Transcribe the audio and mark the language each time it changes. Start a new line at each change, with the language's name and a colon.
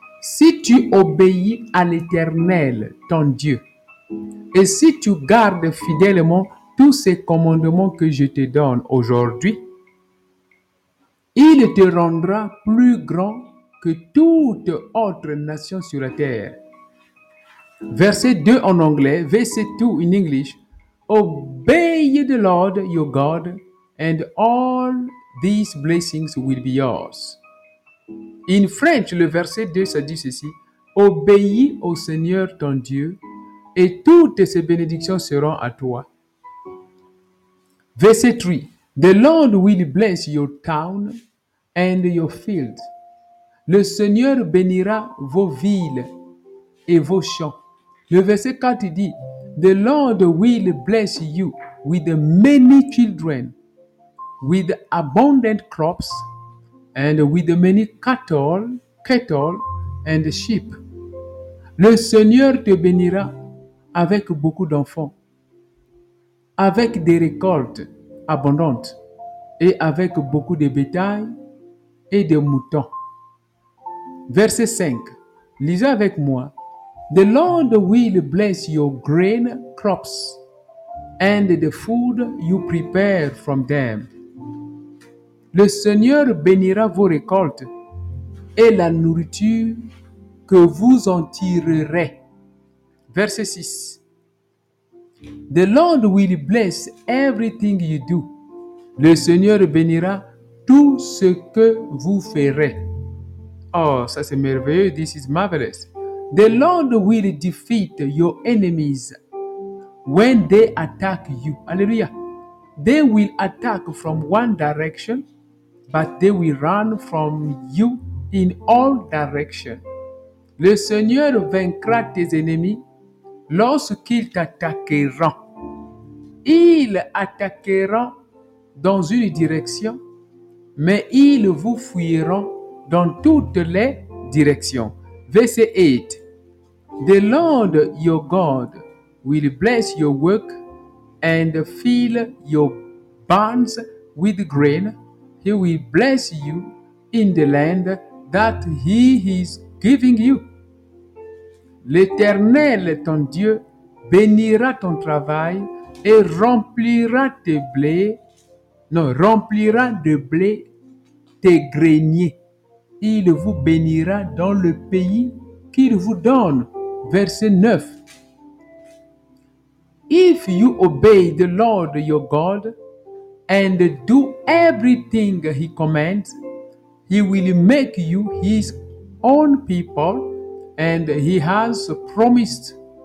French: Si tu obéis à l'Éternel, ton Dieu, et si tu gardes fidèlement tous ces commandements que je te donne aujourd'hui, il te rendra plus grand que toute autre nation sur la terre. Verset 2 en anglais, verset 2
English: in English. Obey the Lord your God and all these blessings will be yours. In French,
French: le verset 2, ça dit ceci. Obéis au Seigneur ton Dieu et toutes ces bénédictions seront à toi. Verset 3.
English: The Lord will bless your town and your field.
French: Le Seigneur bénira vos villes et vos champs. Le verset 4 dit,
English: The Lord will bless you with many children, with abundant crops, and with many cattle and sheep.
French: Le Seigneur te bénira avec beaucoup d'enfants, avec des récoltes abondantes, et avec beaucoup de bétail et de moutons. Verset 5. Lisez avec moi.
English: The Lord will bless your grain crops and the food you prepare from them.
French: Le Seigneur bénira vos récoltes et la nourriture que vous en tirerez. Verset 6.
English: The Lord will bless everything you do.
French: Le Seigneur bénira tout ce que vous ferez. Oh, ça c'est merveilleux.
English: This is marvelous. The Lord will defeat your enemies when they attack you. Alleluia. They will attack from one direction, but they will run from you in all directions.
French: Le Seigneur vaincra tes ennemis lorsqu'ils t'attaqueront. Ils attaqueront dans une direction, mais ils vous fuiront dans toutes les directions. Verset 8.
English: The Lord your God will bless your work and fill your barns with grain. He will bless you in the land that he is giving you.
French: L'Éternel ton Dieu bénira ton travail et remplira de blé tes greniers. Il vous bénira dans le pays qu'il vous donne. Verset 9.
English: If you obey the Lord your God and do everything he commands, he will make you his own people and he has promised.